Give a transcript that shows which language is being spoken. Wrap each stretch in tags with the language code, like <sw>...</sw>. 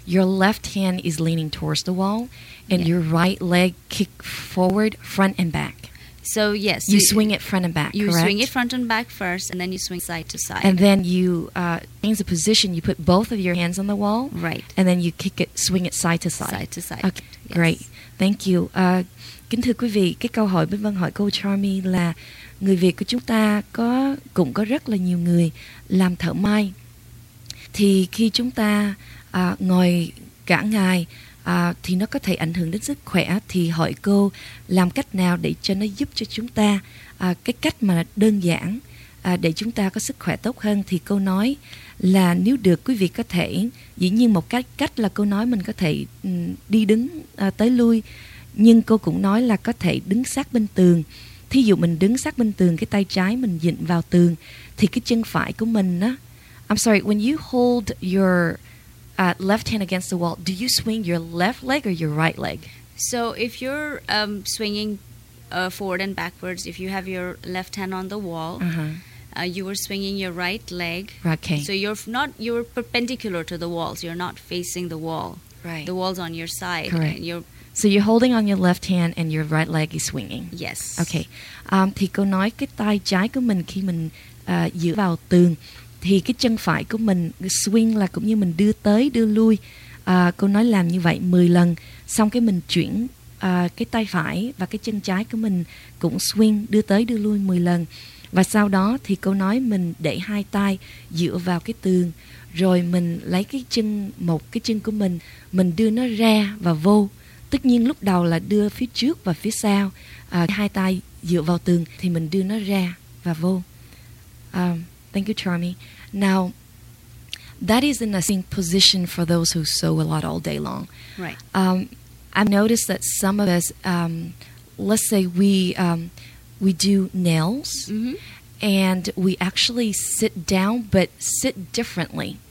<en>Your left hand is leaning towards the wall, and your right leg kick forward, front and back. So, yes. You swing it front and back, correct? You swing it front and back first, and then you swing side to side. And then you change the position. You put both of your hands on the wall. Right. And then you kick it, swing it side to side. Side to side. Okay, yes. Great. Thank you.</en> <vi>Kính thưa quý vị, cái câu hỏi Minh Vân hỏi cô Charmy là người Việt của chúng ta cũng có rất là nhiều người làm thợ may. Thì khi chúng ta ngồi cả ngày thì nó có thể ảnh hưởng đến sức khỏe. Thì hỏi cô làm cách nào để cho nó giúp cho chúng ta cái cách mà đơn giản để chúng ta có sức khỏe tốt hơn. Thì cô nói là nếu được quý vị có thể, dĩ nhiên một cách là cô nói mình có thể đi đứng tới lui, nhưng cô cũng nói là có thể đứng sát bên tường. Thí dụ mình đứng sát bên tường, cái tay trái mình dịnh vào tường, thì cái chân phải của mình á,</vi> <en>I'm sorry, when you hold your left hand against the wall, do you swing your left leg or your right leg? So if you're swinging forward and backwards, if you have your left hand on the wall, you are swinging your right leg. Okay. So you're perpendicular to the wall, so you're not facing the wall. Right. The wall's on your side. Correct. So you're holding on your left hand and your right leg is swinging. Yes. Okay.</en> <vi>Thì cô nói cái tay trái của mình khi mình dựa vào tường, thì cái chân phải của mình swing là cũng như mình đưa tới đưa lui. Cô nói làm như vậy 10 lần, xong cái mình chuyển cái tay phải và cái chân trái của mình cũng swing đưa tới đưa lui 10 lần. Và sau đó thì cô nói mình để hai tay dựa vào cái tường, rồi mình lấy cái chân, một cái chân của mình đưa nó ra và vô. Tất nhiên lúc đầu là đưa phía trước và phía sau, hai tay dựa vào tường thì mình đưa nó ra và vô.</vi> <en>Thank you, Charmy. Now, that is in a sitting position for those who sew a lot all day long. Right. I've noticed that some of us, let's say we do nails, mm-hmm. and we actually sit down, but sit differently.</en>